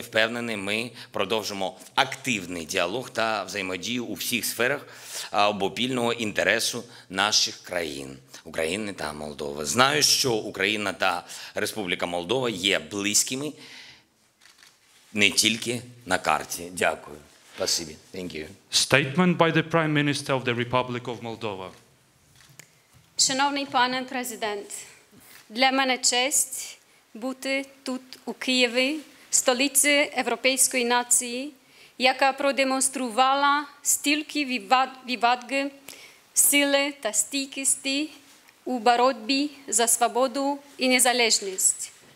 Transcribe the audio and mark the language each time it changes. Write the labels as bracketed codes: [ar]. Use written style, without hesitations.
[uk] Впевнений, ми продовжимо активний діалог та взаємодію у всіх сферах обопільного інтересу наших країн – України та Молдови. Знаю, що Україна та Республіка Молдова є близькими не тільки на карті. Дякую. Спасибі. [en] Thank you. Statement by the Prime Minister of the Republic of Moldova. [uk] Шановний пане президент, для мене честь бути тут, у Києві, столиці європейської нації, яка продемонструвала стільки відваги, сили та стійкості у боротьбі за свободу і незалежність.